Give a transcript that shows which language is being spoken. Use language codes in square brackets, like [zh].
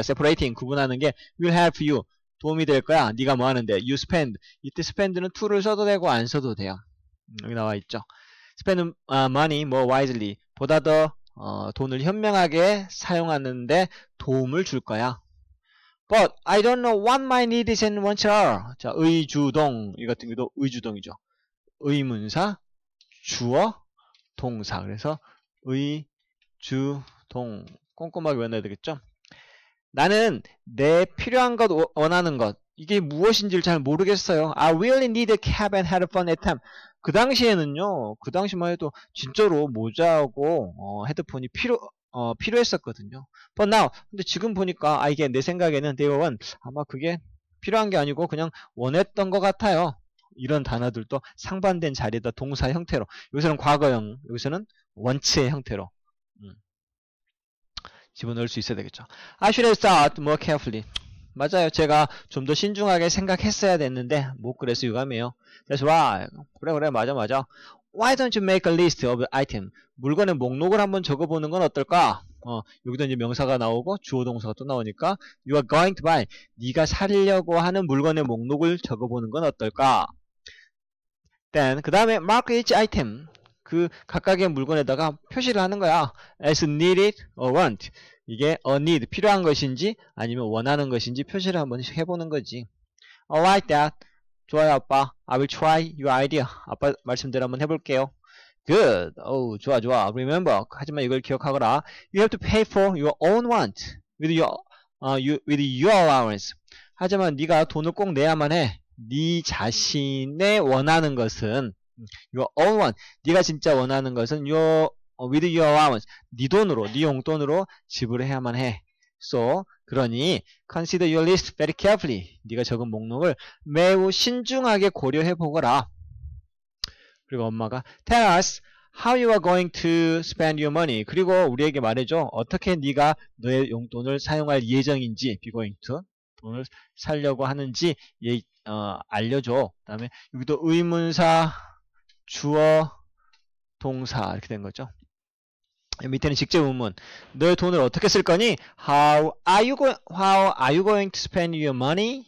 [ko] Separating 구분하는 게 [en] will help you [ko] 도움이 될 거야. 네가 뭐 하는데 you spend. 이때 spend는 to를 써도 되고 안 써도 돼요. 여기 나와 있죠. [en] Spend money more wisely. [ko] 보다 더 돈을 현명하게 사용하는데 도움을 줄 거야. [en] But I don't know what my need is and wants are. [ko] 자, 의주동. 이 같은 것도 의주동이죠. 의문사, 주어, 동사. 그래서 의주동. 꼼꼼하게 외워야 되겠죠? 나는 내 필요한 것, 원하는 것. 이게 무엇인지를 잘 모르겠어요. [en] I really need a cap and headphone at time. [ko] 그 당시에는요, 그 당시만 해도 진짜로 모자하고 헤드폰이 필요했었거든요. [en] But now, [ko] 근데 지금 보니까 이게 내 생각에는 대원 아마 그게 필요한 게 아니고 그냥 원했던 것 같아요. 이런 단어들도 상반된 자리에다 동사 형태로, 여기서는 과거형, 여기서는 원체 형태로 집어넣을 수 있어야 되겠죠. [en] I should have thought more carefully. [ko] 맞아요. 제가 좀 더 신중하게 생각했어야 됐는데 못 그래서 유감이에요. [en] That's why. [ko] 그래 맞아. [en] Why don't you make a list of items? [ko] 물건의 목록을 한번 적어보는 건 어떨까? 여기도 이제 명사가 나오고 주어동사가 또 나오니까 [en] You are going to buy. [ko] 네가 사려고 하는 물건의 목록을 적어보는 건 어떨까? [en] Then [ko] 그 다음에 [en] mark each item. [ko] 그 각각의 물건에다가 표시를 하는 거야. [en] As needed or want. [ko] 이게 a need, 필요한 것인지 아니면 원하는 것인지 표시를 한번 해보는 거지. [en] Alright, Dad. [ko] 좋아요, 아빠. [en] I will try your idea. [ko] 아빠 말씀대로 한번 해볼게요. [en] Good. [ko] 좋아. [en] Remember. [ko] 하지만 이걸 기억하거라. [en] You have to pay for your own want. With your with your allowance. [ko] 하지만 네가 돈을 꼭 내야만 해. 네 자신의 원하는 것은 [en] your own want. [ko] 네가 진짜 원하는 것은 [en] with your allowance. [ko] 네 돈으로, 네 용돈으로 지불해야만 해. [en] So, [ko] 그러니 [en] consider your list very carefully. [ko] 네가 적은 목록을 매우 신중하게 고려해 보거라. 그리고 엄마가 [en] tell us how you are going to spend your money. [ko] 그리고 우리에게 말해줘. 어떻게 네가 너의 용돈을 사용할 예정인지, be going to 돈을 살려고 하는지 알려줘. 그다음에 여기도 의문사, 주어, 동사 이렇게 된 거죠. 밑에는 직접 문문. 너의 돈을 어떻게 쓸 거니? [en] How are you going to spend your money?